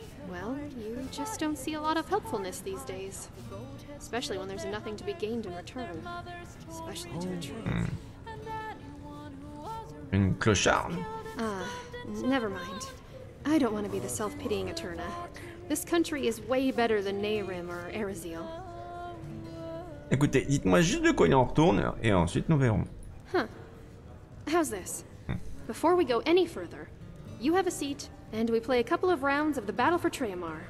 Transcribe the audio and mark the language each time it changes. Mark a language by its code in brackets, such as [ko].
[en] Well, you just don't see a lot of helpfulness these days. Especially when there's nothing to be gained in return. Especially to a truth. [fr] Une clocharde? [en] Ah, never mind. I don't want to be the self-pitying Eterna. This country is way better than Nehrim or Ereziel. [fr] Écoutez, dites-moi juste de quoi il en retourne, et ensuite nous verrons. [en] Huh. How's this? Before we go any further, you have a seat, and we play a couple of rounds of the Battle for Traemar.